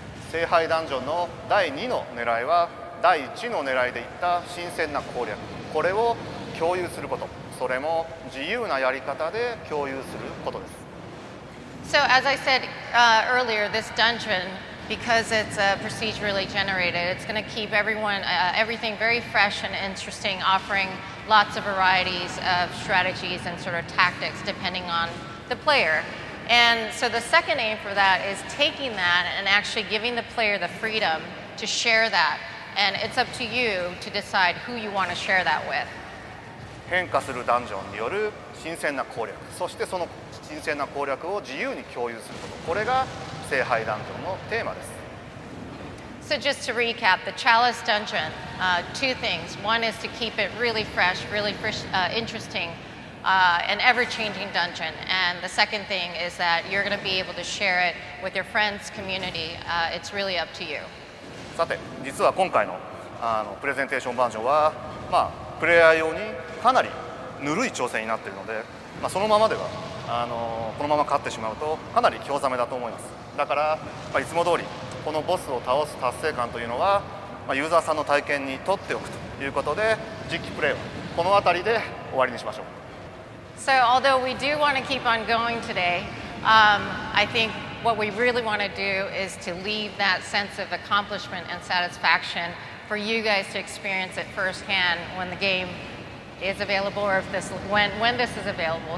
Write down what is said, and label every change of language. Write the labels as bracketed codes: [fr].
[ja] 聖杯ダンジョンの第2の狙いは、第1の狙いで言った新鮮な攻略、これを共有すること。それも自由なやり方で共有することです。 [en] So, as I said earlier, this dungeon, because it's procedurally generated, it's going to keep everyone, everything very fresh and interesting, offering lots of varieties of strategies and sort of tactics depending on the player. And so the second aim for that is taking that and actually giving the player the freedom to share that. And it's up to you to decide who you want to share that with. [ja] 変化するダンジョンによる新鮮な攻略、そしてその新鮮な攻略を自由に共有すること、これが聖杯ダンジョンのテーマです。 [en] So just to recap, the Chalice Dungeon, two things. One is to keep it really fresh, really fresh, interesting, an ever-changing dungeon. And the second thing is that you're going to be able to share it with your friends, community. It's really up to you. [ja] さて、実は今回の、プレゼンテーションバージョンは、まあ、プレイヤー用にかなりぬるい挑戦になっているので、まあ、そのままではこのまま勝ってしまうとかなり興ざめだと思います。だから、まあ、いつも通りこのボスを倒す達成感というのは、まあ、ユーザーさんの体験にとっておくということで、実機プレイをこの辺りで終わりにしましょう。 [en] So although we do want to keep on going today, I think what we really want to do is to leave that sense of accomplishment and satisfaction for you guys to experience it firsthand when the gameis available or if this when this is available.